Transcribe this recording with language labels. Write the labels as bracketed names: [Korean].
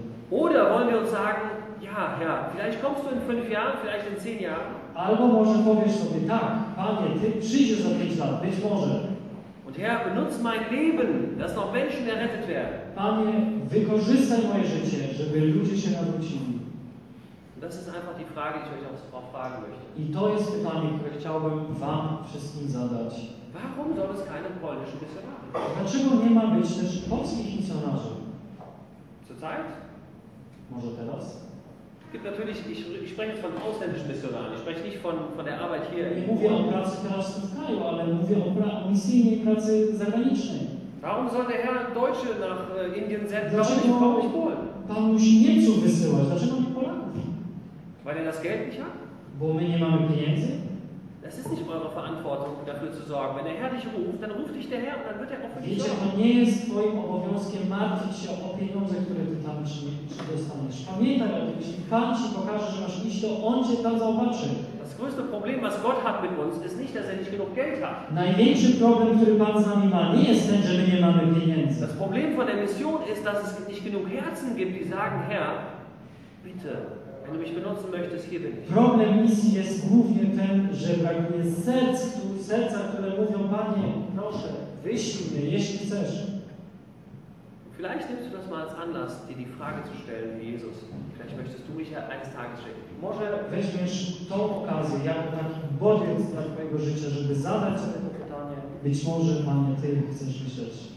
[German] Oder wollen wir uns sagen, ja, ja, vielleicht kommst du in 5 Jahren, vielleicht in 10 Jahren. [Polish] Albo może powiesz sobie, tak, Panie, ty przyjdziesz za 5 lat, być może. [German] Und Herr, benutz mein Leben, dass noch Menschen errettet werden. [Polish] Panie, wykorzystaj moje życie, żeby ludzie się nawrócili. [German] Das ist einfach die Frage, die ich euch auch fragen möchte. [Polish] I to jest pytanie, które chciałbym wam wszystkim zadać. [German] Warum soll es keine polnischen Missionare? [Polish] Dlaczego nie ma być też polskich misjonarzy? [German] Zurzeit? [Polish] Może teraz? [German] Gibt natürlich, ich spreche von ausländischen Missionaren. Ich spreche nicht von der Arbeit hier. [Polish] Nie mówię o pracy teraz w kraju, ale mówię o misyjnej pracy zagranicznej. [German] Warum soll der Herr Deutsche nach Indien senden? Warum nicht Polen? [Polish] Pan musi Niemców wysyłać. Dlaczego nie Polaków? [German] Weil er das Geld nicht hat? [Polish] Bo my nie mamy pieniędzy? [German] Das ist nicht eure Verantwortung, dafür zu sorgen. Wenn der Herr dich ruft, dann ruft dich der Herr und dann wird er auch für dich sorgen. [Polish] Nie jest twoim obowiązkiem martwić się o pieniądze, które ty tam czy dostaniesz. Pamiętaj o tym, jeśli Pan ci pokaże, że masz iść, to On cię tam zobaczy. [German] Das größte Problem, was Gott hat mit uns, ist nicht, dass er nicht genug Geld hat. [Polish] Największy problem, który Pan z nami ma, nie jest ten, że my nie mamy pieniędzy. [German] Das Problem von der Mission ist, dass es nicht genug Herzen gibt, die sagen, Herr, bitte. Wenn du mich benutzen möchtest, hier bin ich. [Polish] Problem misji jest głównie ten, że brakuje serca, które mówią, Panie, proszę, wyślij mnie, jeśli chcesz. [German] Vielleicht nimmst du das mal als Anlass, dir die Frage zu stellen, Jesus. Vielleicht möchtest du mich ja eines Tages schicken. [Polish] Może weźmiesz tą okazję, jako taki bodziec dla twojego życia, żeby zadać sobie to pytanie. Być może, Panie, Ty chcesz myśleć.